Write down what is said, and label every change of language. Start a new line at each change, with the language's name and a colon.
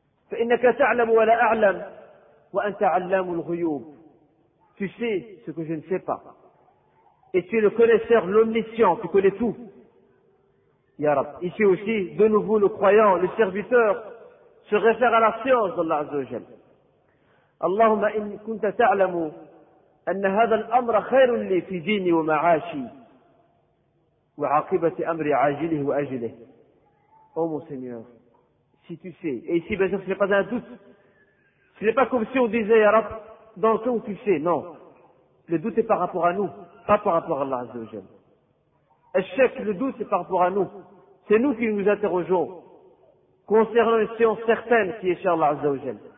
Arabic: فَإِنَّكَ تَعْلَمُ وَلَا أَعْلَمُ وَأَنْتَ عَلَّمُ الْغُيُوبُ.
French: Tu sais ce que je ne sais pas. Et tu es le connaisseur, l'omniscient, tu connais tout. Ya Rab. Ici aussi, de nouveau, le croyant, le serviteur, se réfère à la science d'Allah Azza wa Jal.
Arabic: اللَّهُمَّ إِنْ كُنْتَ تَعْلَمُ أن هذا الأمر خير لي في ديني ومعاشي وعاقبة أمري عاجله وأجله.
French: Oh mon Seigneur, si tu sais, et ici bien sûr ce n'est pas un doute, ce n'est pas comme si on disait Ya Rab, dans le cas où tu sais, non. Le doute est par rapport à nous, pas par rapport à Allah Azza wa Jal. Échec, le doute est par rapport à nous. C'est nous qui nous interrogeons concernant une science certaine qui est chez Allah Azza wa Jal.